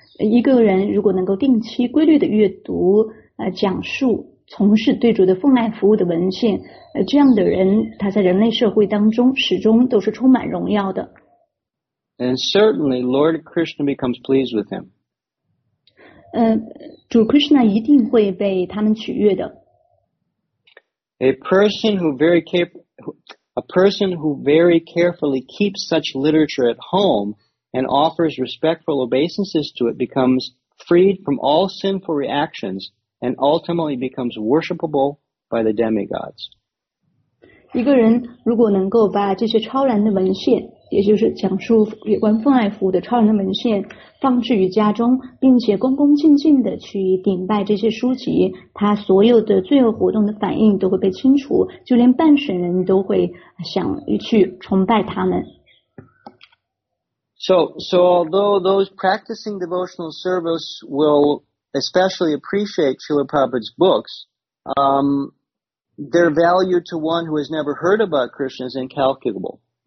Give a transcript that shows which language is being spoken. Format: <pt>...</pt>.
<zh>一个人如果能够定期规律的阅读讲述从事对主的奉爱服务的文献，这样的人他在人类社会当中始终都是充满荣耀的。</zh> <en>And certainly Lord Krishna becomes pleased with him.</en> <zh>主 Krishna 一定会被他们取悦的。</zh> <en>A person who very carefully keeps such literature at home and offers respectful obeisances to it becomes freed from all sinful reactions. And ultimately becomes worshipable by the demigods.</en> <zh>一个人如果能够把这些超然的文献也就是讲述有关奉爱服务的超人的文献放置于家中，并且恭恭敬敬地去顶拜这些书籍，他所有的罪恶活动的反应都会被清除，就连半神人都会想去崇拜他们。</zh> <en>So although those practicing devotional service will especially appreciate Srila Prabhupada's books, their value to one who has never heard about Krishna is incalculable.</en>